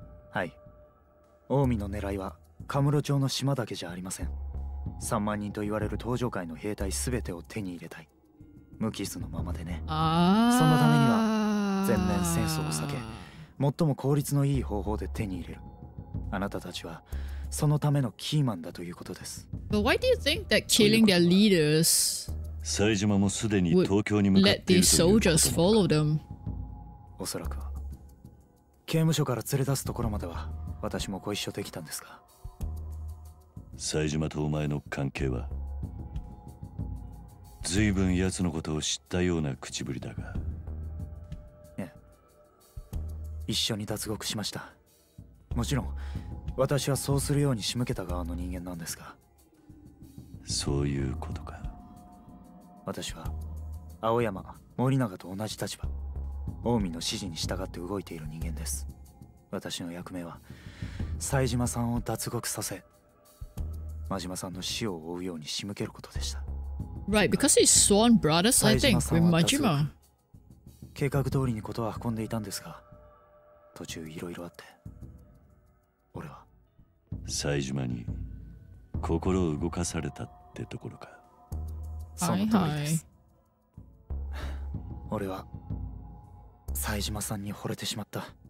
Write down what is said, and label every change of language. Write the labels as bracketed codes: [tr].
[ja] はい、近江の狙いは神室町の島だけじゃありません。 3万人と言われる東条会の兵隊全てを手に入れたい。無傷のままでね。そのためには全面戦争を避け最も効率のいい方法で手に入れる。あなたたちはそのためのキーマンだということです。 [en] But why do you think that killing their leaders [ja] 西島もすでに東京に向かっているということも。 [en] Let these soldiers follow them。 [ja] おそらくは刑務所から連れ出すところまでは私もご一緒できたんですが。西島とお前の関係は。ずいぶん奴のことを知ったような口ぶりだが。ええ、一緒に脱獄しました。もちろん私はそうするように仕向けた側の人間なんですが。そういうことか。私は青山森永と同じ立場、近江の指示に従って動いている人間です。私の役目は西島さんを脱獄させ真島さんの死を追うように仕向けることでした。 [en] Right, because he's sworn brothers, I think, with 真島。 [ja] 計画通りにことは運んでいたんですが、途中いろいろあって俺は西島に心を動かされたってところか。その通りです。俺は西島さんに惚れてしまった。